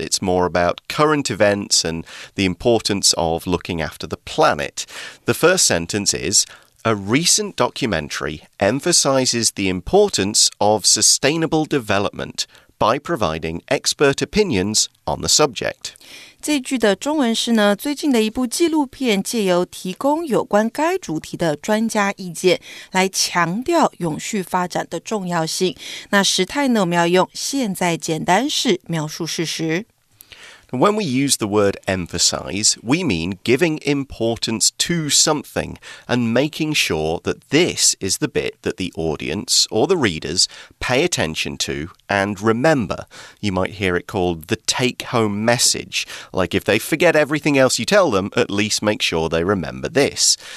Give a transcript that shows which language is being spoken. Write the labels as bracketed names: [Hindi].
[English] It's more about current events and the importance of looking after the planet. The first sentence is, a recent documentary emphasizes the importance of sustainable development by providing expert opinions on the subject. [Chinese] 这句的中文是呢，最近的一部纪录片借由提供有关该主题的专家意见，来强调永续发展的重要性。那时态呢，我们要用现在简单式描述事实。 [English] When we use the word emphasize, we mean giving importance to something and making sure that this is the bit that the audience or the readers pay attention to and remember. You might hear it called the take-home message. Like if they forget everything else you tell them, at least make sure they remember this.